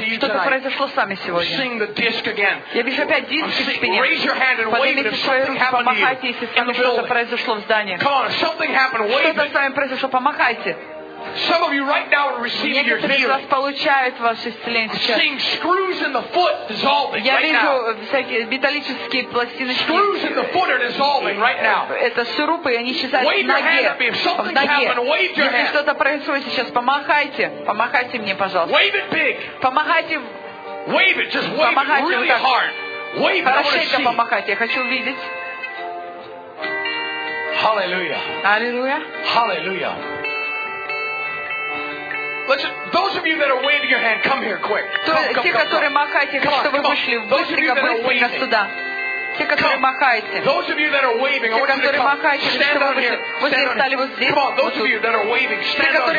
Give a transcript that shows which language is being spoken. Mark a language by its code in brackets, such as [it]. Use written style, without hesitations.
[ru] Что-то произошло с вами сегодня. Я вижу опять диск в спине. Поднимите свою руку, помахайте, если с вами что-то произошло в здании. Что-то с вами произошло, помахайте. [en] Some of you right now are receiving your healing. [ru] Некоторые из вас получают ваше исцеление сейчас. [en] Seeing screws in the foot dissolving [ru] Я [en] right [ru] вижу [en] now. [ru] Всякие металлические пластины. [en] Screws in the foot are dissolving right now. [ru] Это шурупы, и они исчезают в ноге. Если что-то происходит сейчас, помахайте, помахайте мне, пожалуйста. [en] Wave it big. [ru] Помахайте. [en] Wave it, just wave [ru] помахайте [en] it really так. Hard. Wave it. [ru] Хорошенько помахайте, я хочу увидеть. [en] Hallelujah. Hallelujah. Hallelujah. Listen, those of you that are waving your hand, come here quick. [ru] Те, которые махаете, чтобы вышли быстренько, быстренько сюда. Те, которые махаете. [en] Those of you that are waving, I want you to stand on here. Come on, those of you that are waving, stand on here.